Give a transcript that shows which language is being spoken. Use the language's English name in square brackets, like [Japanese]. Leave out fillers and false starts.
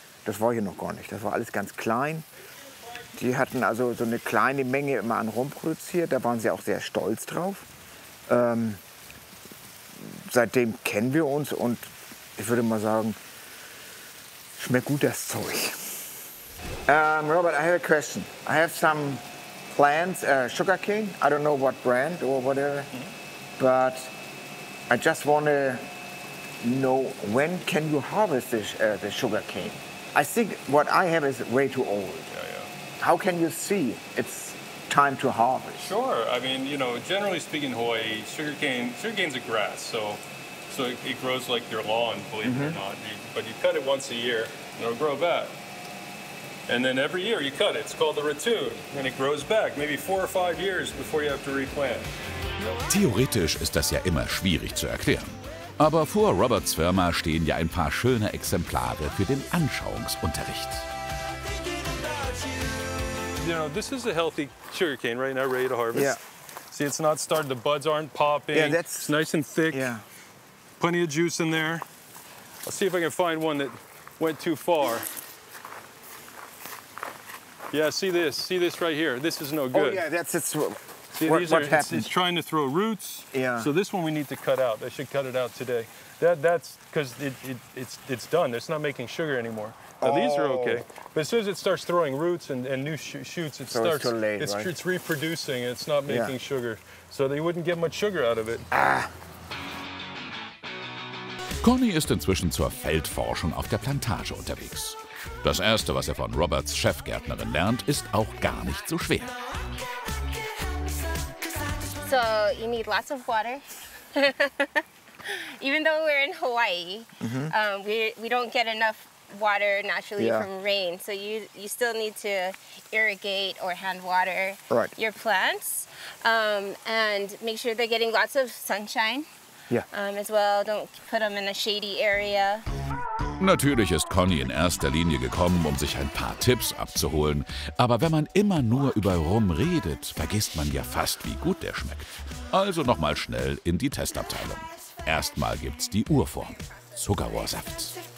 [German] Das war hier noch gar nicht. Das war alles ganz klein. Die hatten also so eine kleine Menge immer an Rum produziert. Da waren sie auch sehr stolz drauf. Seitdem kennen wir uns und ich würde mal sagen, schmeckt gut das Zeug. [English] Robert, I have a question. I have some plants, sugarcane. I don't know what brand or whatever. But I just want to know, when can you harvest the sugarcane? I think what I have is way too old. Yeah, yeah. How can you see it's time to harvest? Sure. I mean, you know, generally speaking, Hawaii, sugarcane's a grass, so it grows like your lawn, believe it or not. But you cut it once a year, and it'll grow back. And then every year you cut it. It's called the ratoon, and it grows back, maybe 4 or 5 years before you have to replant. [German] Theoretisch ist das ja immer schwierig zu erklären. Aber vor Roberts Firma stehen ja ein paar schöne Exemplare für den Anschauungsunterricht. [English] You know, this is a healthy sugarcane right now, ready to harvest. Yeah. See, it's not started, the buds aren't popping. Yeah, that's, it's nice and thick. Yeah. Plenty of juice in there. I'll see if I can find one that went too far. Yeah, see this? See this right here? This is no good. Oh, yeah, that's it. It's trying to throw roots. Yeah. So this one we need to cut out. I should cut it out today. That's because it's done. It's not making sugar anymore. Now these are okay. But as soon as it starts throwing roots and new shoots, it starts too late, it's, right? It's reproducing. It's not making sugar. So they wouldn't get much sugar out of it. Ah. [German] Conny ist inzwischen zur Feldforschung auf der Plantage unterwegs. Das erste, was er von Roberts Chefgärtnerin lernt, ist auch gar nicht so schwer. [English] So you need lots of water. Even though we're in Hawaii, we don't get enough water naturally from rain. So you still need to irrigate or hand water your plants. And make sure they're getting lots of sunshine as well. Don't put them in a shady area. [German] Natürlich ist Conny in erster Linie gekommen, um sich ein paar Tipps abzuholen. Aber wenn man immer nur über Rum redet, vergisst man ja fast, wie gut der schmeckt. Also nochmal schnell in die Testabteilung. Erstmal gibt's die Urform, Zuckerrohrsaft.